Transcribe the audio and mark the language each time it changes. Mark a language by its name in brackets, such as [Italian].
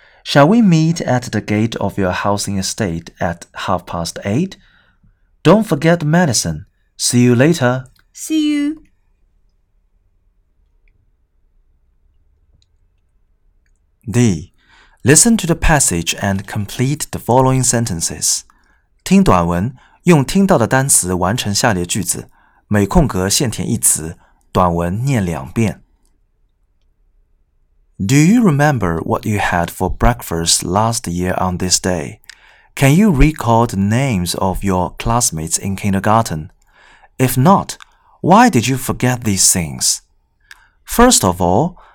[English] Shall we meet at the gate of your housing estate at 8:30? Don't forget the medicine. See you later. See you. D. Listen to the passage and complete the following sentences. [Chinese] 听短文，用听到的单词完成下列句子，每空格限填一词，短文念两遍。 [English] Do you remember what you had for breakfast last year on this day? Can you recall the names of your classmates in kindergarten? If not, why did you forget these things? First of all,